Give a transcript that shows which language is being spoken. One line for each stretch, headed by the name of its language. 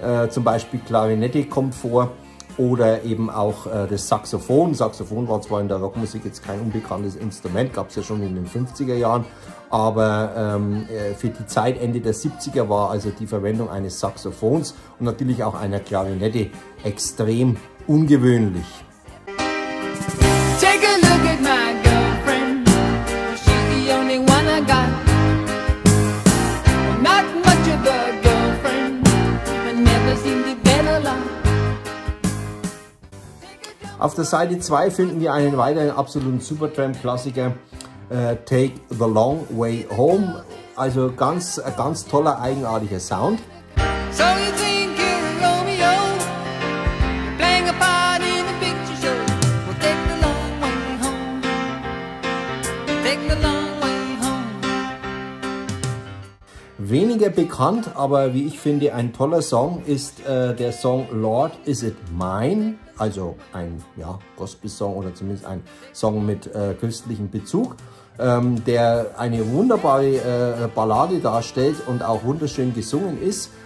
German: Zum Beispiel Klarinette kommt vor oder eben auch das Saxophon. Saxophon war zwar in der Rockmusik jetzt kein unbekanntes Instrument, gab es ja schon in den 50er Jahren. Aber für die Zeit Ende der 70er war also die Verwendung eines Saxophons und natürlich auch einer Klarinette extrem ungewöhnlich.
English: Take a look at my girlfriend. She's the only one I got. Not much of a girlfriend, but never seemed to get along.
German: Auf der Seite 2 finden wir einen weiteren absoluten Supertramp-Klassiker. Take the Long Way Home. Also ganz, ganz toller, eigenartiger Sound.
English: So you think you're Romeo, playing a part in a picture show. Well, take the long way home. Take the long way home.
German: Weniger bekannt, aber wie ich finde, ein toller Song ist der Song Lord, Is It Mine? Also ein Gospel-Song oder zumindest ein Song mit christlichem Bezug. Der eine wunderbare Ballade darstellt und auch wunderschön gesungen ist.